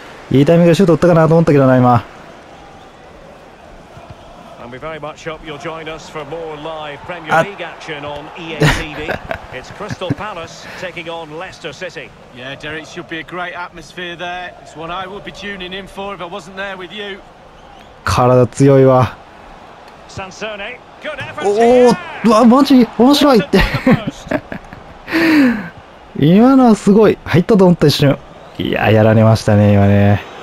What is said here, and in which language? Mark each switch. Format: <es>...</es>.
<ja>いいタイミングでシュート打ったかなと思ったけどな今。</ja> <en>And we very much hope you'll join us for more live Premier League action on EATV. It's Crystal Palace taking on Leicester City. Yeah, Derek, should be a great atmosphere there. It's one I would be tuning in for if I wasn't there with you.</en> <ja>体強いわ。</ja> <en>Sansone, good effort.</en> <ja>おお、わマジ面白いって。今のはすごい入ったと思った一瞬。いや、やられましたね、今ね。</ja>